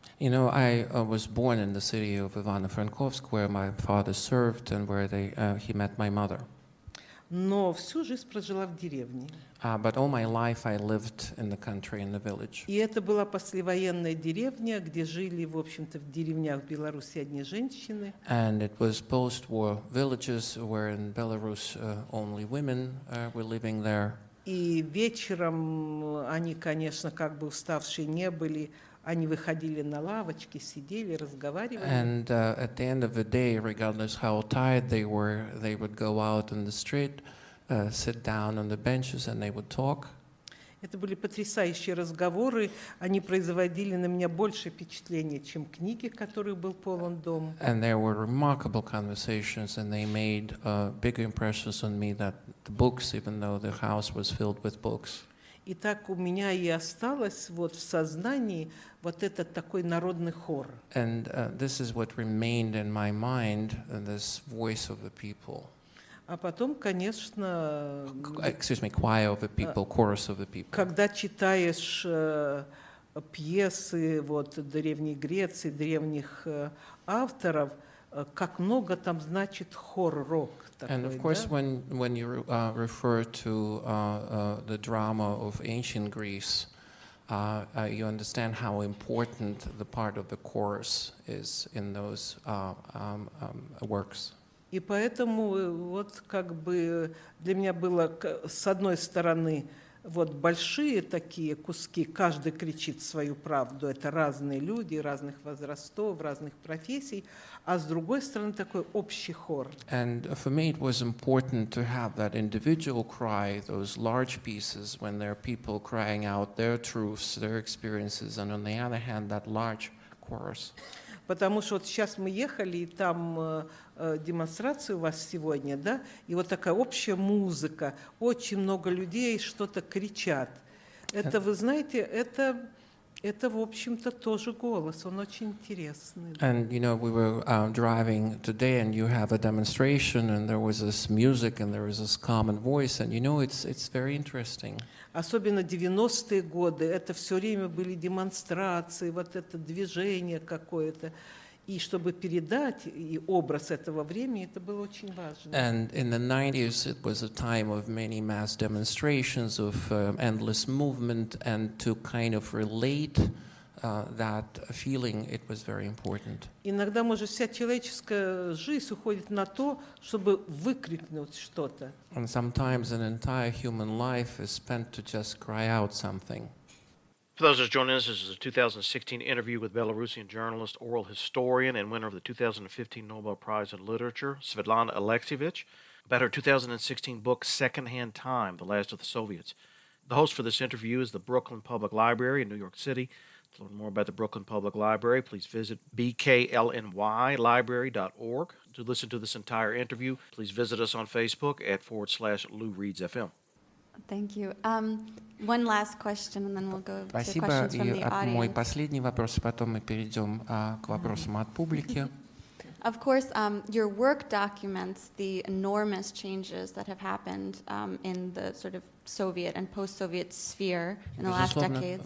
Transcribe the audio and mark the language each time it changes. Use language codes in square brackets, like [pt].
[en] You know, I was born in the city of Ivano-Frankivsk, where my father served and where they he met my mother. [ru] Но всю жизнь прожила в деревне. [en] But all my life I lived in the country, in the village. [ru] И это была послевоенная деревня, где жили, в общем-то, в деревнях Беларуси одни женщины. [en] And it was post-war villages where in Belarus only women were living there. [ru] И вечером они, конечно, как бы уставшие не были. Они выходили на лавочки, сидели, разговаривали. [en] And at the end of the day, regardless how tired they were, they would go out in the street, sit down on the benches, and they would talk. [ru] Это были потрясающие разговоры. Они производили на меня больше впечатления, чем книги, которые был полон дом. [en] And there were remarkable conversations, and they made bigger impressions on me than the books, even though the house was filled with books. [ru] И так у меня и осталось вот в сознании вот этот такой народный хор. [en] And this is what remained in my mind, this voice of the people. [ru] А потом, конечно, [en] choir of the people, chorus of the people. [ru] Когда читаешь пьесы вот древней Греции, древних авторов, как много там значит хор-рок. [en] And of course, when you refer to the drama of ancient Greece, you understand how important the part of the chorus is in those works. [ru] И поэтому вот как бы для меня было с одной стороны вот большие такие куски, каждый кричит свою правду, это разные люди, разных возрастов, разных профессий, а с другой стороны такой общий хор. [en] And for me it was important to have that individual cry, those large pieces, when there are people crying out their truths, their experiences, and on the other hand, that large chorus. [ru] Потому что вот сейчас мы ехали, и там демонстрация у вас сегодня, да? И вот такая общая музыка, очень много людей что-то кричат. Это, вы знаете, это в общем-то, тоже голос, он очень интересный. Да? [en] And, you know, we were driving today, and you have a demonstration, and there was this music, and there was this common voice, and, you know, it's very interesting. [ru] Особенно 90-е годы, это все время были демонстрации, вот это движение какое-то. И чтобы передать и образ этого времени, это было очень важно. [en] And in the 90s, it was a time of many mass demonstrations, of endless movement, and to kind of relate that feeling, it was very important. [ru] Иногда, может, вся человеческая жизнь уходит на то, чтобы выкрикнуть что-то. [en] And sometimes an entire human life is spent to just cry out something. For those who are joining us, this is a 2016 interview with Belarusian journalist, oral historian, and winner of the 2015 Nobel Prize in Literature, Svetlana Alexievich, about her 2016 book, Secondhand Time, The Last of the Soviets. The host for this interview is the Brooklyn Public Library in New York City. To learn more about the Brooklyn Public Library, please visit bklnylibrary.org. To listen to this entire interview, please visit us on Facebook at @LouReadsFM. Thank you. One last question, and then we'll go [ru] Спасибо. [en] To questions from the audience. [ru] Мой последний вопрос, потом мы перейдем к вопросам от публики. [en] Of course, your work documents the enormous changes that have happened in the sort of Soviet and post-Soviet sphere in the last decades.